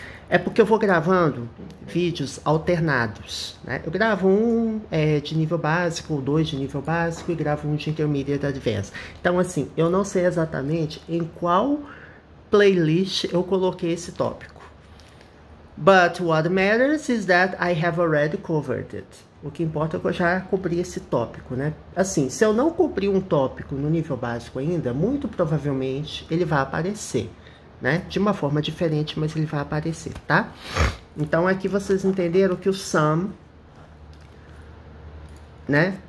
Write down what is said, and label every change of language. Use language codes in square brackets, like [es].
[pt] É porque eu vou gravando vídeos alternados, né? Eu gravo um de nível básico, dois de nível básico e gravo um de Intermediate Advanced. Então, assim, eu não sei exatamente em qual playlist eu coloquei esse tópico. [en] But what matters is that I have already covered it. [pt] O que importa é que eu já cobri esse tópico, né? Assim, se eu não cobrir um tópico no nível básico ainda, muito provavelmente ele vai aparecer, né? De uma forma diferente, mas ele vai aparecer, tá? Então aqui vocês entenderam que o some, né?